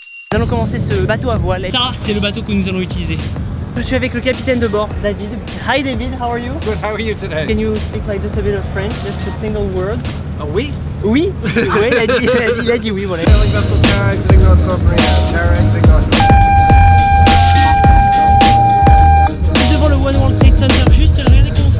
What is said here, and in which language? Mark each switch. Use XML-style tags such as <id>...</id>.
<fr>Nous allons commencer ce bateau à voile. Ça, c'est le bateau que nous allons utiliser. Je suis avec le capitaine de bord, David.</fr> <en>Hi David, how are you? Good, how are you today? Can you speak like just a bit of French, just a single word?</en> <fr>Oui. Oui, oui, il a dit oui, voilà. Juste devant le One World Trade Center, juste le réseau.</fr>